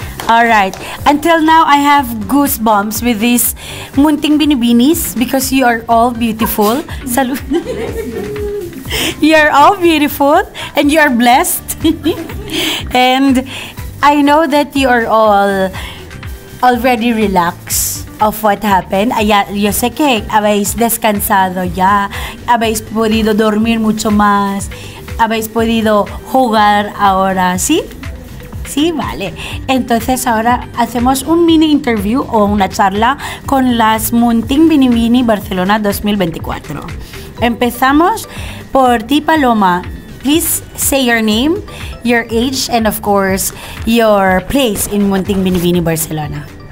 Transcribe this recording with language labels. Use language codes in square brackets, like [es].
[en] All right. Until now, I have goosebumps with this Munting Binibinis because you are all beautiful. Salud. You are all beautiful and you are blessed. And I know that you are all already relaxed of what happened. [es] Yo sé que habéis descansado ya, habéis podido dormir mucho más, habéis podido jugar ahora, ¿sí? Sí, vale. Entonces ahora hacemos un mini interview o una charla con las Munting Binibini Barcelona 2024. Empezamos por ti, Paloma. [en] Please say your name, your age, and of course, your place in Munting Binibini Barcelona.